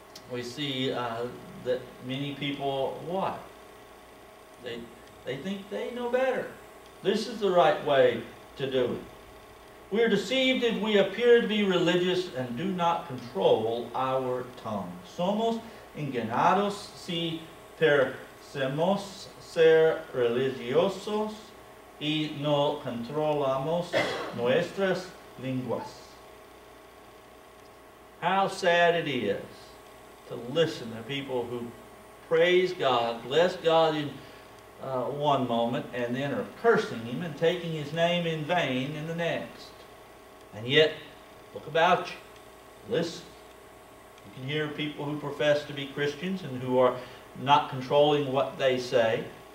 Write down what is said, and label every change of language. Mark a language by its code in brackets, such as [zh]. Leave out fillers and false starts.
[en] We see that many people, what? They think they know better. This is the right way to do it. We are deceived if we appear to be religious and do not control our tongue. [es] Somos engañados si parecemos ser religiosos y no controlamos nuestras lenguas. [en] How sad it is to listen to people who praise God, bless God in one moment, and then are cursing Him and taking His name in vain in the next. And yet, look about you. Listen. You can hear people who profess to be Christians and who are not controlling what they say.